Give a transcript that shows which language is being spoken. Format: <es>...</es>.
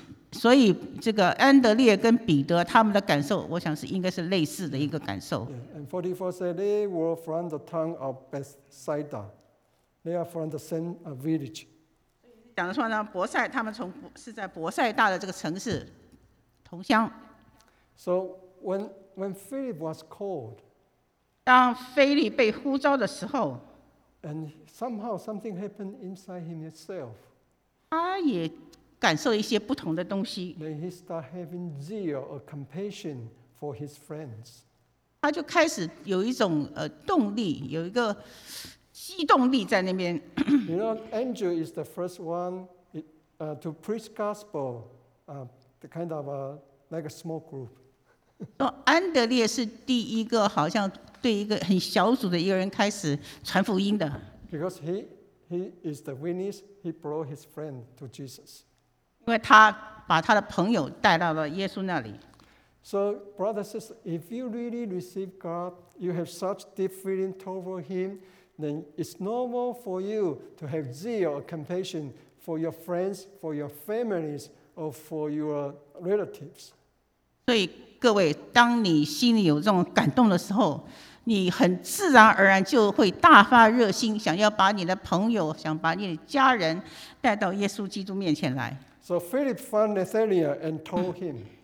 <zh>所以这个安德烈跟彼得他们的感受，我想是应该是类似的一个感受。</zh> <en>And 44 said they were from the town of Bethsaida. They are from the same village.</en> <zh>讲的说呢，伯赛他们是在伯赛大的这个城市同乡。</zh> <en>So when Philip was called,</en> <zh>当腓力被呼召的时候。</zh> <en>And somehow something happened inside himself.</en> <zh>他也感受一些不同的东西。</zh> <en>Then he start having zeal or compassion for his friends.</en> <zh>他就开始有一种动力，有一个激动力在那边。</zh> <en>You know, Andrew is the first one to preach gospel, the kind of like a small group.</en> <zh>安德烈是第一个好像。对一个很小组的一个人开始传福音的。</zh> <en>Because he is the witness, he brought his friend to Jesus.</en> <zh>因为他把他的朋友带到了耶稣那里。</zh> <en>So, brothers and sisters, if you really receive God, you have such deep feeling toward him, then it's normal for you to have zeal or compassion for your friends, for your families, or for your relatives.</en> <zh>所以各位，当你心里有这种感动的时候，你很自然而然就会大发热心，想要把你的朋友，想把你的家人带到耶稣基督面前来。</zh> <en>So Philip found Nathanael and told him.</en>